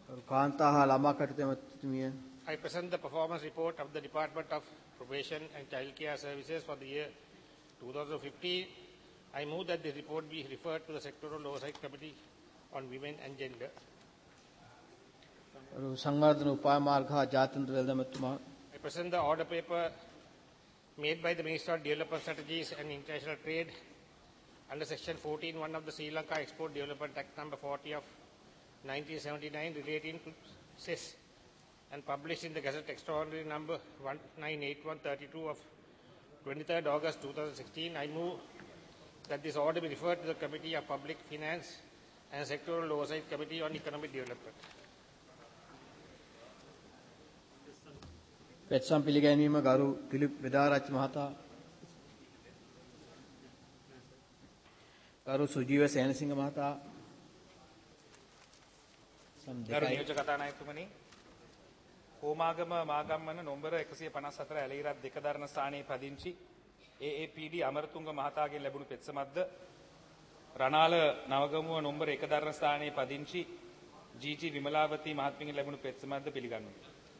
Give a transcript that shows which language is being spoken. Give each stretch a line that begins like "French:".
Sinhala: කාන්තා හා ළමා කටයුතු අමාත්‍යතුමිය.
English: I present the performance report of the Department of Probation and Child Care Services for the year 2015. I move that this report be referred to the Sectoral Oversight Committee on Women and Gender.
Sinhala: සංවර්ධන උපාය මාර්ග හා ජාත්‍යන්තර වෙළඳාමතුමා.
English: I present the order paper made by the Minister of Development Strategies and International Trade under Section 14(1) of the Sri Lanka Export Development Act Number 40 of 1979 relating to CES and published in the Gazette Extraordinary Number 198132 of 23rd August 2016. I move that this order be referred to the Committee of Public Finance and Sectoral Oversight Committee on Economic Development.
Sinhala: වැත්සම් පිළිගැනීම ගරු දිලිප් වේදාරච් මහතා, ගරු සුජීව සේනසිංහ මහතා, ගරු නියෝජක කතානායකතුමනි, හෝමාගම මාගම්මන නොම්බර 154 ඇලීරත් දෙක දරන ස්ථානයේ පදිංචි AAPD අමරතුංග මහතාගෙන් ලැබුණු පෙත්සමත්ද, රණාල නවගමුව නොම්බර 1 දරන ස්ථානයේ පදිංචි GG විමලාවති මහත්මියගෙන් ලැබුණු පෙත්සමත්ද පිළිගන්නවා.